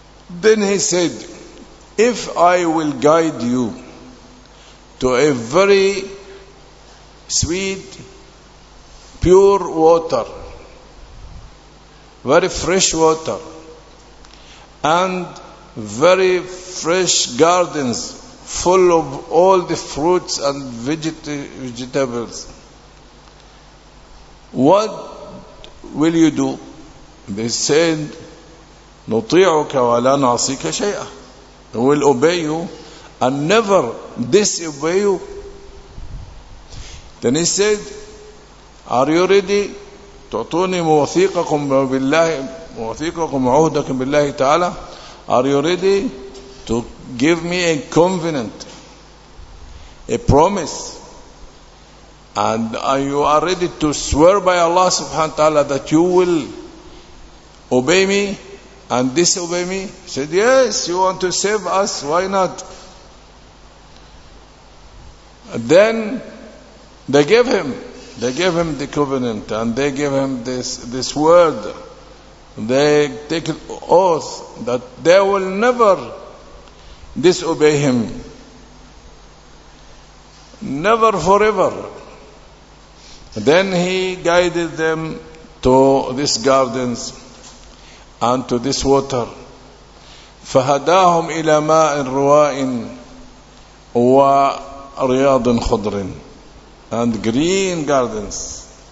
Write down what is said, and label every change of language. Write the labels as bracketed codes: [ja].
[en] Then he said, "If I will guide you to a very sweet, pure water, very fresh water, and very fresh gardens full of all the fruits and vegetables, what will you do?" They said, [ar] "نطيعك ولا نعصيك شيئا." [en] We will obey you and never disobey you. Then he said, "Are you ready? [ar] تعطوني موثيقكم بالله, موثيقكم عهدكم بالله تعالى. [en] Are you ready to give me a covenant, a promise? And are you ready to swear by Allah subhanahu wa ta'ala that you will obey me and disobey me?" He said, "Yes, you want to save us, why not?" And then they gave him They gave him the covenant and they gave him this word. They take oath that they will never disobey him. Never forever. Then he guided them to this gardens and to this water. [ar] فَهَدَاهُمْ إِلَى مَاءٍ رُوَاءٍ وَرِيَاضٍ خُضْرٍ [en] and green gardens.